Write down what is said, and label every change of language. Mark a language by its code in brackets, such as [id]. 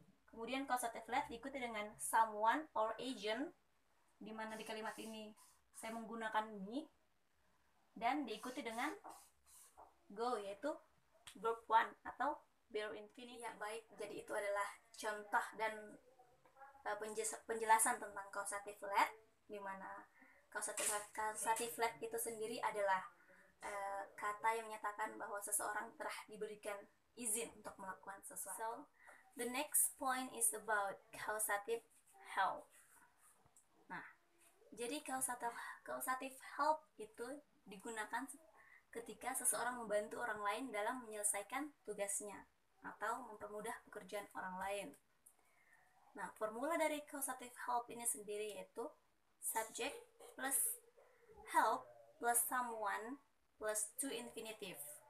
[id] Kemudian causative let diikuti dengan [en] someone or agent, [id] di mana di kalimat ini saya menggunakan me, dan diikuti dengan go yaitu verb one atau verb infinitive. Ya, baik, jadi itu adalah contoh dan penjelasan tentang causative let, di mana causative let itu sendiri adalah kata yang menyatakan bahwa seseorang telah diberikan izin untuk melakukan sesuatu. [en] So, the next point is about causative help. [id] Nah, jadi causative help itu digunakan ketika seseorang membantu orang lain dalam menyelesaikan tugasnya atau mempermudah pekerjaan orang lain. Nah, formula dari causative help ini sendiri yaitu subject plus help plus someone plus to infinitive.